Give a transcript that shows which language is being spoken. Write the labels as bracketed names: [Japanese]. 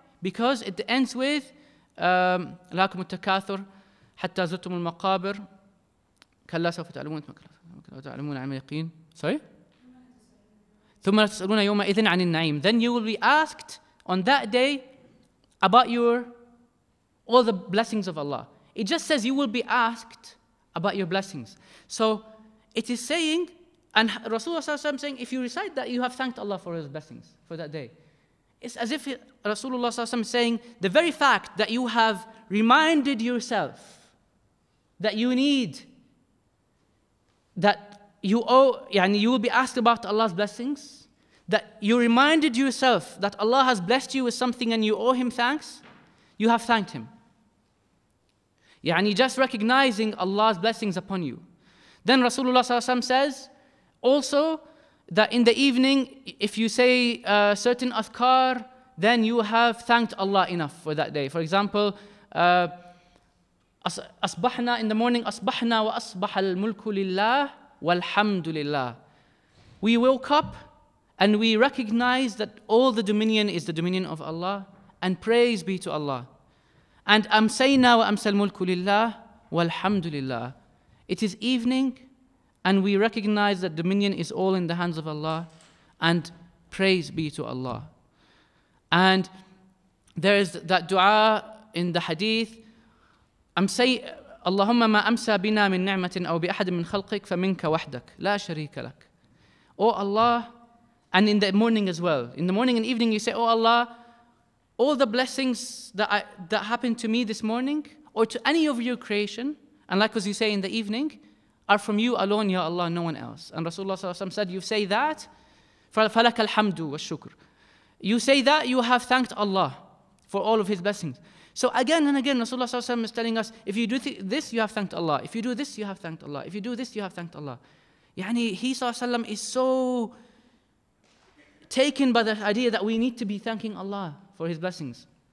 [English] Because it ends with [Arabic] ألهاكم التكاثر حتى زرتم المقابر كلا سوف تعلمون تعلمون عن اليقين [English] sorry [Arabic] ثم تسألون يوم إذن عن النعيم. [English] Then you will be asked on that day about your all the blessings of Allah. It just says you will be asked about your blessings. So it is saying, and Rasulullah [Arabic] صلى الله عليه وسلم [English] saying, if you recite that, you have thanked Allah for His blessings for that day. It's as if Rasulullah [Arabic] صلى الله عليه وسلم [English] saying the very fact that you have reminded yourself that you need, that you owe, يعني you will be asked about Allah's blessings, that you reminded yourself that Allah has blessed you with something and you owe Him thanks, you have thanked Him. يعني just recognizing Allah's blessings upon you. Then Rasulullah [Arabic] صلى الله عليه وسلم [English] says also that in the evening, if you say a certain adhkar, then you have thanked Allah enough for that day. For example, [Arabic] أصبحنا [English] in the morning, [Arabic] أصبحنا وأصبح الملك لله والحمد لله. [English] We woke up and we recognize that all the dominion is the dominion of Allah, and praise be to Allah. And [Arabic] أمسينا وأمس الملك لله والحمد لله. [English] It is evening and we recognize that dominion is all in the hands of Allah, and praise be to Allah. And there is that dua in the hadith, [Arabic] أمسي اللهم ما أمسى بنا من نعمة أو بأحد من خلقك فمنك وحدك لا شريك لك. [English] Oh Allah, and in the morning as well. In the morning and evening you say, oh Allah, all the blessings that happened to me this morning or to any of your creation, and like as you say in the evening, are from you alone, Ya Allah, no one else. And Rasulullah [Arabic] صلى الله عليه وسلم [English] said, you say that, [Arabic] فلك الحمد والشكر. [English] You say that, you have thanked Allah for all of His blessings. So again and again, Rasulullah [Arabic] صلى الله عليه وسلم [English] is telling us, if you do this, you have thanked Allah. If you do this, you have thanked Allah. If you do this, you have thanked Allah. يعني, he [Arabic] صلى الله عليه وسلم [English] is so taken by the idea that we need to be thanking Allah for His blessings.